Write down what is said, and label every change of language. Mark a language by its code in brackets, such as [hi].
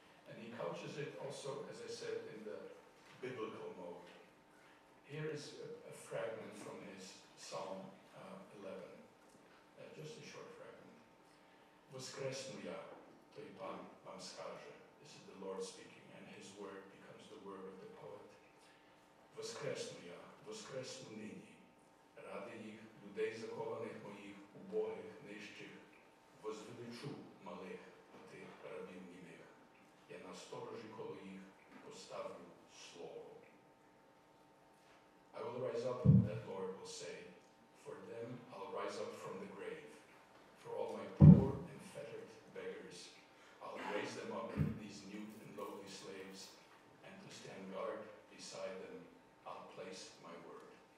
[en] And he couches it also, as I said, in the biblical mode. Here is a fragment from his Psalm 11, just a short fragment. [uk] Воскреснуя, той пан вам скаже. [en] This is the Lord speaking, and his word becomes the word of the poet. [uk] Воскреснуя, воскресну нині, ради їх, людей захованих моїх, убогих, нижчих, возвеличу малих, тих рабів німих. Я на сторожі коло їх поставлю слово. [en] I will rise up, that Lord will say, for them I'll rise up from the grave. For all my poor and fettered beggars, I'll raise them up, these mute and lowly slaves, and to stand guard beside them, I'll place my word.